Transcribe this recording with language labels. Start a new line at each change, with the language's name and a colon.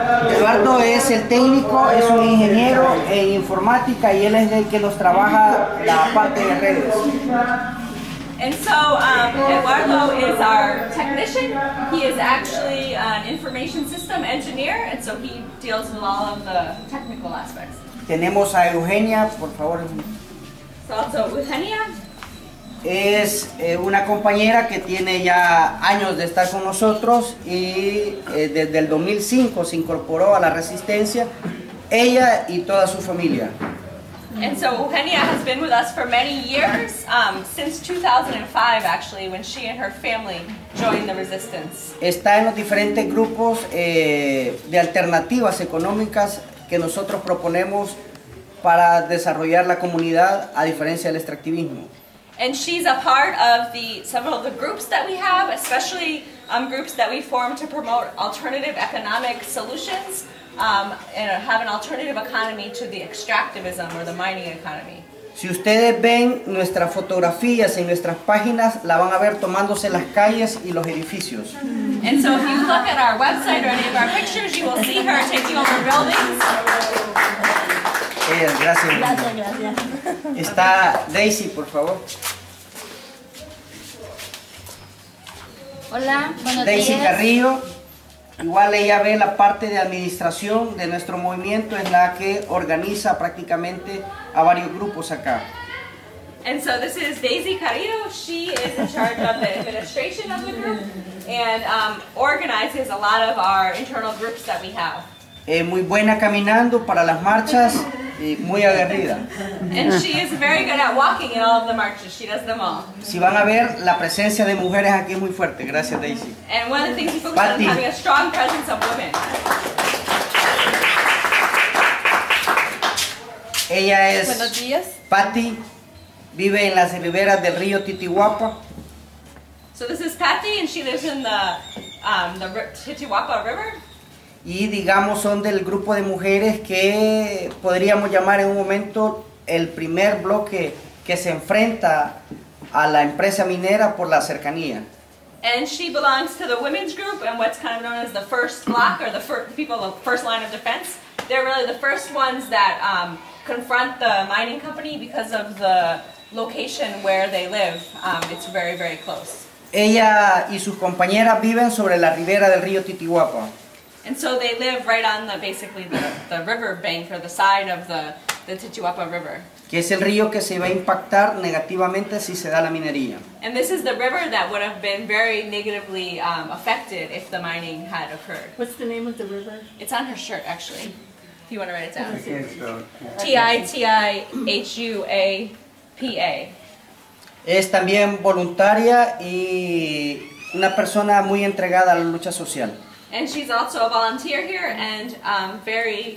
Spanish: Eduardo es el técnico, es un ingeniero en informática y él es el que nos trabaja la parte de redes.
English: And so Eduardo is our technician. He is actually an information system engineer, and so he deals with all of the technical aspects.
Spanish: Tenemos a Eugenia, por favor.
English: Also, Eugenia
Spanish: es una compañera que tiene ya años de estar con nosotros y desde el 2005 se incorporó a la resistencia, ella y toda su familia.
English: And so Eugenia has been with us for many years, since 2005 actually, when she and her family joined the resistance.
Spanish: Está en los diferentes grupos de alternativas económicas que nosotros proponemos para desarrollar la comunidad a diferencia del extractivismo.
English: And she's a part of the several of the groups that we have, especially groups that we form to promote alternative economic solutions and have an alternative economy to the extractivism or the mining economy.
Spanish: Si ustedes ven nuestras fotografías en nuestras páginas, la van a ver tomándose las calles y los edificios.
English: And so if you look at our website or any of our pictures, you will see her taking over buildings.
Spanish: Gracias, gracias. Está Daisy, por favor. Hola, buenos Daisy días. Daisy Carrillo. Igual ella ve la parte de administración de nuestro movimiento, es la que organiza prácticamente a varios grupos acá.
English: And so this is Daisy Carrillo. She is in charge of the administration of the group and organizes a lot of our internal groups that we have.
Spanish: Muy buena caminando para las marchas y muy aguerrida.
English: And she is very good at walking in all of the marches. She does them all.
Spanish: Si van a ver, la presencia de mujeres aquí es muy fuerte. Gracias, Daisy.
English: And one of the things you focus on is having a strong presence of women.
Spanish: Ella es... Buenos días. Patty vive en las riberas del río Titiwapa.
English: So this is Patty and she lives in the Titiwapa River.
Spanish: Y digamos son del grupo de mujeres que podríamos llamar en un momento el primer bloque que se enfrenta a la empresa minera por la cercanía.
English: And she belongs to the women's group and what's kind of known as the first block or the people of first line of defense. They're really the first ones that confront the mining company because of the location where they live. It's very, very close.
Spanish: Ella y sus compañeras viven sobre la ribera del río Titiwapa.
English: And so they live right on the basically the river bank or the side of the Titiwapa River.
Spanish: Que es el río que se va a impactar negativamente si se da la minería.
English: And this is the river that would have been very negatively affected if the mining had occurred. What's the name of the river? It's on her shirt actually. If you want to write it down. Titiwapa.
Spanish: Es también voluntaria y una persona muy entregada a la lucha social.
English: And she's also a volunteer here and very